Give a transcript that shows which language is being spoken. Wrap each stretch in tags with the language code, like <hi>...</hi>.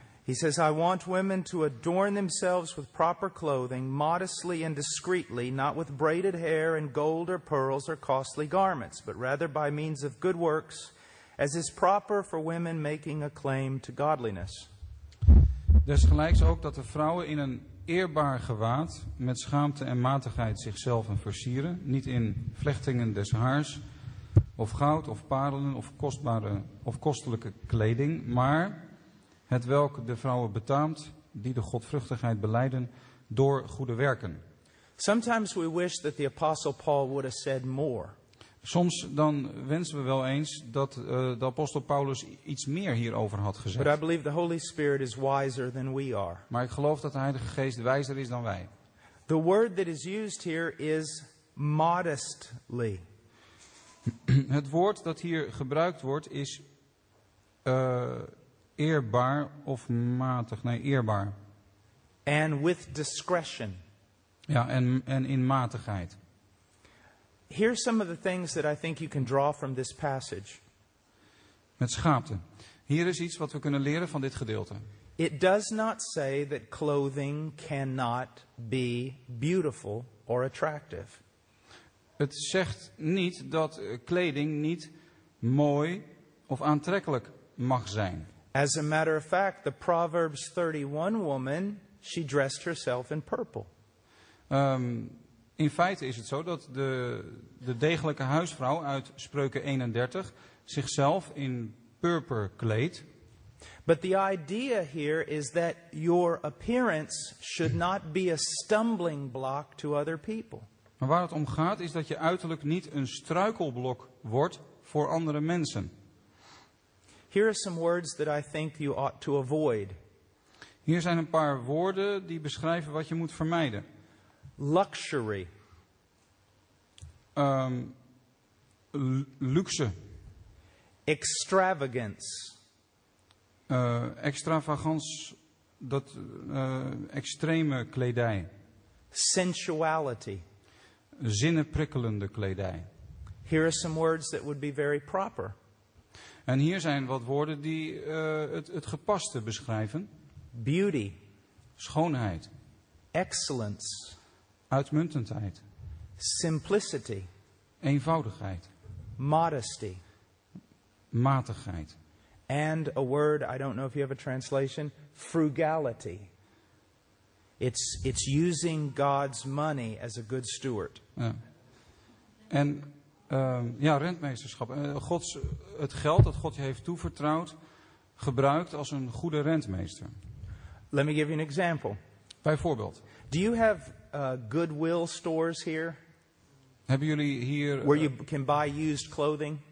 <en>He says, "I want women to adorn themselves with proper clothing, modestly and discreetly, not with braided hair and gold or pearls or costly garments, but rather by means of good works, as is proper for women making a claim to godliness."</en> <nl>Desgelijks ook dat de vrouwen in een eerbaar gewaad, met schaamte en matigheid zichzelf en versieren, niet in vlechtingen des haars, of goud, of parelen, of kostbare, of kostelijke kleding, maar het welk de vrouwen betaamt die de godvruchtigheid beleiden door goede werken.</nl> <en>Sometimes we wish that the apostle Paul would have said more.</en> <nl>Soms dan wensen we wel eens dat de apostel Paulus iets meer hierover had gezegd.</nl> <en>But I believe the Holy Spirit is wiser than we are.</en> <nl>Maar ik geloof dat de Heilige Geest wijzer is dan wij.</nl> <en>The word that is used here is modestly.</en> <nl>Het woord dat hier gebruikt wordt is eerbaar of matig, nee, eerbaar.</nl> <en>And with discretion.</en> <nl>Ja, en in matigheid.</nl> <en>Here are some of the things that I think you can draw from this passage.</en> <nl>Met schaamte. Hier is iets wat we kunnen leren van dit gedeelte.</nl> <en>It does not say that clothing cannot be beautiful or attractive.</en> <nl>Het zegt niet dat kleding niet mooi of aantrekkelijk mag zijn.</nl> <en>As a matter of fact, the Proverbs 31 woman, she dressed herself in purple.</en> <nl>In feite is het zo dat de degelijke huisvrouw uit Spreuken 31 zichzelf in purper kleedt.</nl> <en>But the idea here is that your appearance should not be a stumbling block to other people.</en> <nl>Maar waar het om gaat is dat je uiterlijk niet een struikelblok wordt voor andere mensen.</nl> <en>Here are some words that I think you ought to avoid.</en> <nl>Hier zijn een paar woorden die beschrijven wat je moet vermijden.</nl> <en>Luxury.</en> <nl>Luxe.</nl> <en>Extravagance.</en> <nl>Extravagance, dat extreme kledij.</nl> <en>Sensuality.</en> <nl>Zinnenprikkelende kledij.</nl> <en>Here are some words that would be very proper.</en> <nl>En hier zijn wat woorden die het gepaste beschrijven.</nl> <en>Beauty.</en> <nl>Schoonheid.</nl> <en>Excellence.</en> <nl>Uitmuntendheid.</nl> <en>Simplicity.</en> <nl>Eenvoudigheid.</nl> <en>Modesty.</en> <nl>Matigheid.</nl> <en>And a word, I don't know if you have a translation, frugality. It's using God's money as a good steward.</en> <nl>Ja. En rentmeesterschap. Gods, het geld dat God je heeft toevertrouwd, gebruikt als een goede rentmeester.</nl> <en>Let me give you an example.</en> <nl>Bijvoorbeeld.</nl> <en>Do you have Goodwill stores here?</en> <nl>Hebben jullie hier</nl> <en>where you can buy used clothing?</en>